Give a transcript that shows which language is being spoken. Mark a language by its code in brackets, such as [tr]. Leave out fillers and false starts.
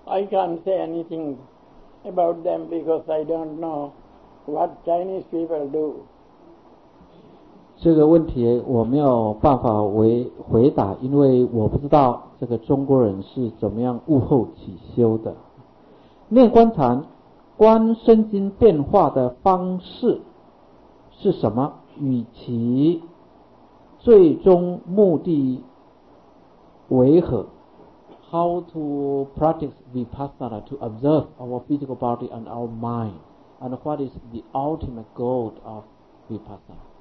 [en] I can't say anything about them because I don't know what Chinese people do. [zh] 这个问题我没有办法回答，因为我不知道这个中国人是怎么样悟后起修的。念观禅观身心变化的方式是什么，与其最终目的为何？ [en] How to practice vipassana to observe our physical body and our mind, and what is the ultimate goal of vipassana?